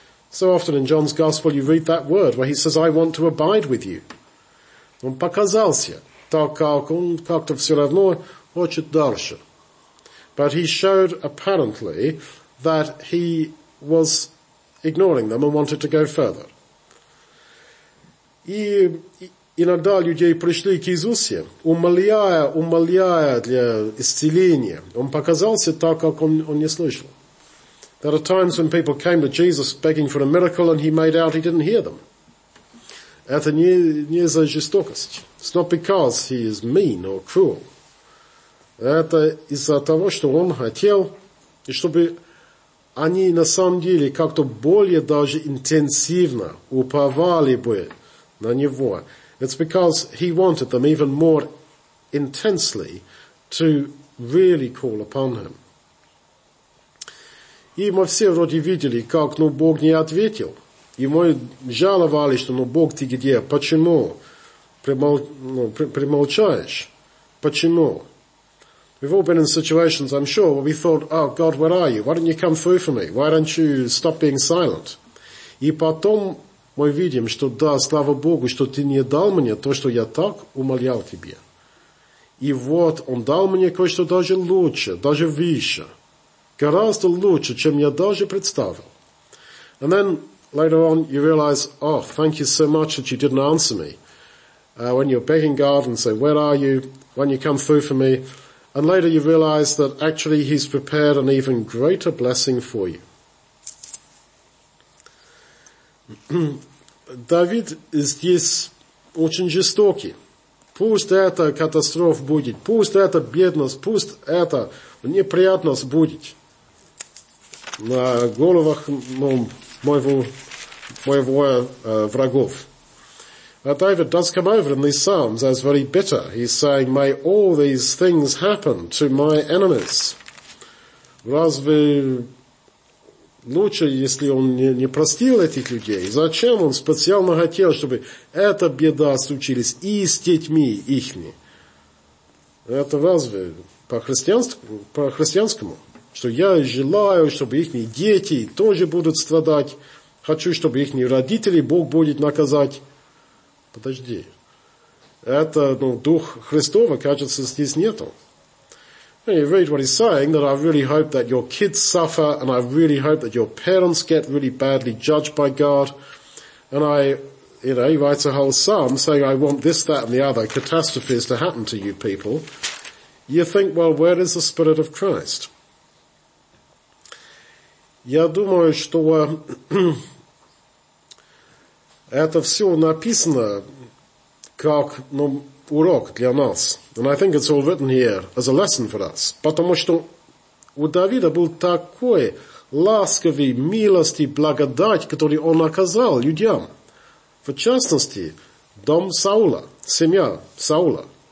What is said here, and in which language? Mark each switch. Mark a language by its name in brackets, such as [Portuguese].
[English] So often in John's Gospel you read that word where he says, I want to abide with you. [Russian] Он показался, так как он как-то все равно хочет дальше. [English] But he showed apparently that he was ignoring them and wanted to go further. [Russian] И иногда люди пришли к Иисусе, умоляя для исцеления. Он показался, так как он не слышал. [English] There are times when people came to Jesus begging for a miracle and he made out he didn't hear them. [Russian] Это не за жестокость. [English] It's not because he is mean or cruel. [Russian] Это из-за того, что он хотел, и чтобы они на самом деле как-то более даже интенсивно уповали бы на него. [English] It's because he wanted them even more intensely to really call upon him. [Russian] И мы все вроде видели, как, ну, Бог не ответил. И мы жаловались, что, ну, Бог, ты где? Почему примолчаешь? Почему? [English] We've all been in situations, I'm sure, where we thought, oh, God, where are you? Why don't you come through for me? Why don't you stop being silent? [Russian] И потом мы видим, что, да, слава Богу, что ты не дал мне то, что я так умолял тебе. И вот он дал мне кое-что даже лучше, даже выше. Гораздо лучше, чем я даже представил. [English] And then, later on, you realize, oh, thank you so much that you didn't answer me. when you're begging God and say, where are you? When you come through for me? And later you realize that actually he's prepared an even greater blessing for you. [Russian] David здесь очень жестокий. Пусть эта катастрофа будет, пусть эта бедность, пусть эта неприятность будет на головах моего врагов. [English] But David does come over in these Psalms as very bitter. He's saying, may all these things happen to my enemies. [Russian] Разве лучше, если он не простил этих людей? Зачем он специально хотел, чтобы эта беда случилась и с детьми ихми? Это разве по-христианскому? Что я желаю, чтобы ихни дети тоже будут страдать. Хочу, чтобы ихни родители Бог будет наказать. Подожди, это, ну, дух Христова, кажется, здесь нету. [English] You read what he's saying, that I really hope that your kids suffer, and I really hope that your parents get really badly judged by God. And I, you know, he writes a whole psalm saying, I want this, that, and the other catastrophes to happen to you people. You think, well, where is the Spirit of Christ? [Russian] Я думаю, что... Это все написано как, ну, урок для нас. [English] And I think it's all written here as a lesson for us. [Russian] Потому что у Давида был такой ласковый, милости, благодать, который он оказал людям. В частности, дом Саула, семья Саула.